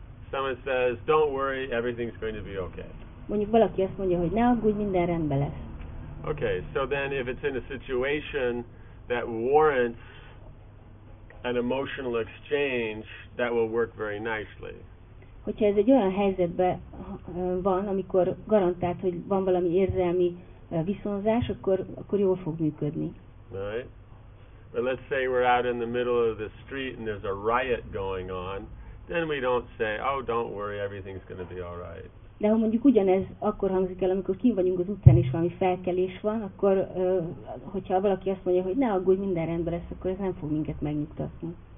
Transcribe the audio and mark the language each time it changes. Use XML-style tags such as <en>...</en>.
<en>Someone says, don't worry, everything's going to be okay.</en> <hu>Mondjuk valaki azt mondja, hogy ne aggódj, minden rendben lesz.</hu> <en>Okay, so then if it's in a situation that warrants an emotional exchange, that will work very nicely.</en> <hu>Hogyha ez egy olyan helyzetben van, amikor garantált, hogy van valami érzelmi viszonzás, akkor jól fog működni.</hu> <en>Right. But let's say we're out in the middle of the street and there's a riot going on, then we don't say, oh, don't worry, everything's going to be all right.</en> <hu>De ha mondjuk ugyanez akkor hangzik el, amikor kint vagyunk az utcán és valami felkelés van, akkor hogyha valaki azt mondja, hogy ne aggódj, minden rendben lesz, akkor ez nem fog minket megnyugtatni.</hu>